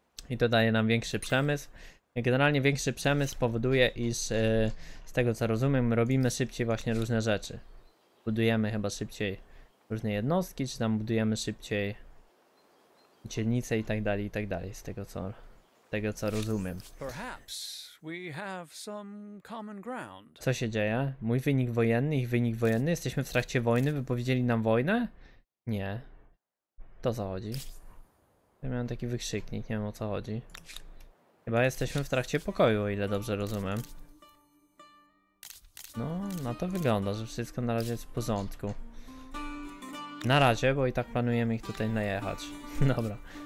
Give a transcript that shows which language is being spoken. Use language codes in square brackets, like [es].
[pl] I to daje nam większy przemysł. Generalnie większy przemysł powoduje, iż z tego co rozumiem, robimy szybciej właśnie różne rzeczy. Budujemy chyba szybciej różne jednostki, czy tam budujemy szybciej dzielnice i tak dalej, z tego co rozumiem. [en] Perhaps we have some common ground. [pl] Co się dzieje? Mój wynik wojenny, ich wynik wojenny? Jesteśmy w trakcie wojny? Wypowiedzieli nam wojnę? Nie. To co chodzi? Ja miałem taki wykrzyknik, nie wiem o co chodzi. Chyba jesteśmy w trakcie pokoju, o ile dobrze rozumiem. No, na to wygląda, że wszystko na razie jest w porządku. Na razie, bo i tak planujemy ich tutaj najechać. Dobra.